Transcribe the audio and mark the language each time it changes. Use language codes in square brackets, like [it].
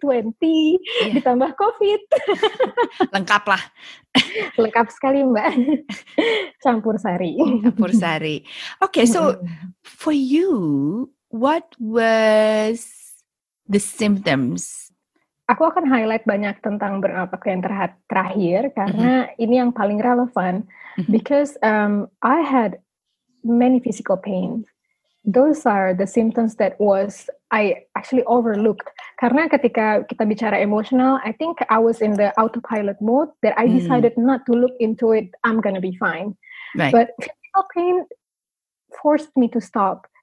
[id] Yeah. Ditambah COVID. Lengkap lah. Lengkap sekali, Mbak. Campur sari. [en] Okay, so for you, what was the symptoms? [id] Aku akan highlight banyak tentang burnout yang terakhir karena ini yang paling relevan. [en] Because I had many physical pain. Those are the symptoms that was I actually overlooked. [id] Karena ketika kita bicara [en] emotional, I think I was in the autopilot mode that I decided not to look into it. I'm gonna be fine. Right. But physical pain forced me to stop.